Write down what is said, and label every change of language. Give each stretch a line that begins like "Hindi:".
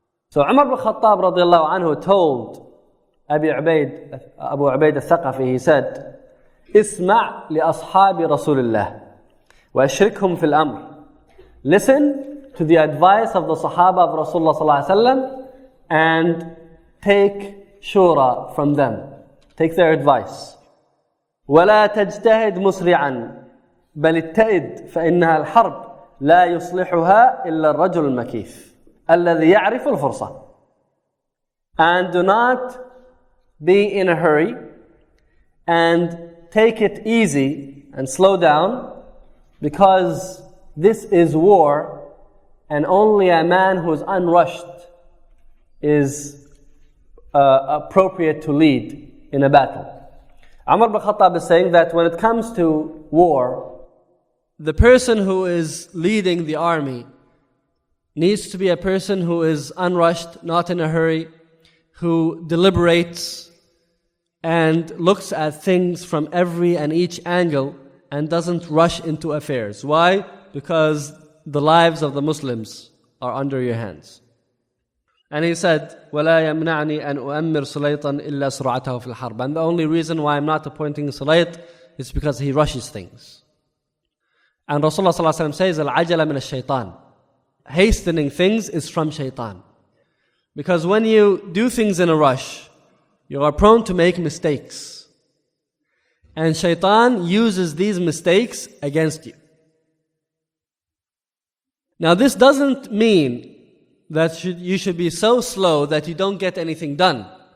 English: So Umar al-Khattab radiallahu anhu told Abu Ubaid al-Thaqafi, he said,
Arabic: اسمع لأصحاب رسول الله وأشركهم في الأمر.
English: Listen to the advice of the Sahaba of Rasulullah صلى الله عليه وسلم and take shura from them. Take their advice.
Arabic: ولا تجتهد مسرعا بل اتئد فإنها الحرب لا يصلحها إلا الرجل المكيف الذي يعرف الفرصة.
English: And do not be in a hurry and take it easy and slow down, because this is war and only a man who is unrushed is appropriate to lead in a battle. Umar ibn Khattab is saying that when it comes to war, the person who is leading the army needs to be a person who is unrushed, not in a hurry, who deliberates and looks at things from every and each angle and doesn't rush into affairs. Why? Because the lives of the Muslims are under your hands. And he said,
Arabic: وَلَا يَمْنَعْنِي أَنْ أُؤَمِّرْ سُلَيْطًا إِلَّا سُرْعَتَهُ فِي الْحَرْبِ.
English: And the only reason why I'm not appointing Sulayt is because he rushes things. And Rasulullah صلى الله عليه وسلم says,
Arabic: الْعَجَلَ مِنَ الشَّيْطَانِ.
English: Hastening things is from shaitan. Because when you do things in a rush, you are prone to make mistakes. And shaitan uses these mistakes against you. Now this doesn't mean that you should be so slow that you don't get anything done.